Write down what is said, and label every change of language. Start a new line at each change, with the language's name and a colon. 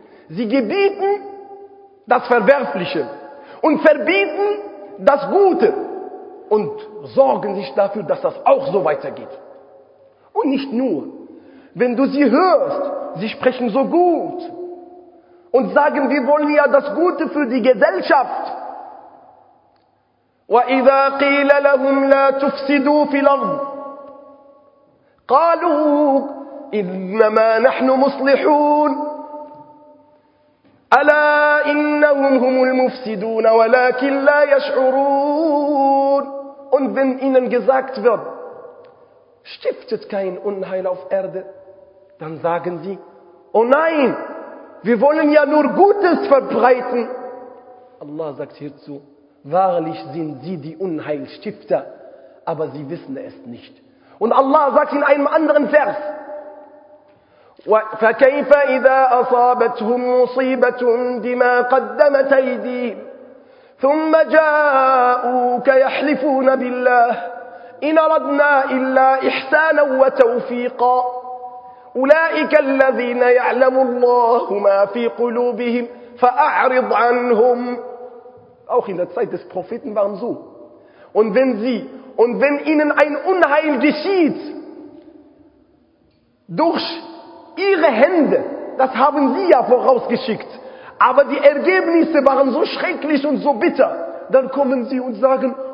German: Sie gebieten das Verwerfliche und verbieten das Gute und sorgen sich dafür, dass das auch so weitergeht. Und nicht nur. Wenn du sie hörst, sie sprechen so gut und sagen, wir wollen ja das Gute für die Gesellschaft.
Arabic: وَإِذَا قِيلَ لَهُمْ لَا تُفْسِدُوا فِي الْأَرْضِ قالوا إنما نحن مصلحون ألا إنهم هم المفسدون ولكن لا يشعرون.
German: Und wenn ihnen gesagt wird, stiftet kein Unheil auf Erde, dann sagen sie, oh nein, wir wollen ja nur Gutes verbreiten. Allah sagt hierzu, wahrlich sind sie die Unheilstifter, aber sie wissen es nicht. Und Allah sagt in einem anderen Vers:
Arabic: فَكَيْفَ إِذَا أَصَابَتْهُمْ مُصِيبَةٌ بِمَا قَدَّمَتْ أَيْدِيهِمْ ثُمَّ جَاءُوكَ يَحْلِفُونَ بِاللَّهِ إِنْ أَرَدْنَا إِلَّا إِحْسَانًا وَتَوْفِيقًا أُولَئِكَ الَّذِينَ يَعْلَمُ اللَّهُ مَا فِي قُلُوبِهِمْ فَأَعْرِضْ عَنْهُمْ.
German: Auch in der Zeit des Propheten waren so. Und wenn sie Und wenn ihnen ein Unheil geschieht, durch ihre Hände, das haben sie ja vorausgeschickt, aber die Ergebnisse waren so schrecklich und so bitter, dann kommen sie und sagen,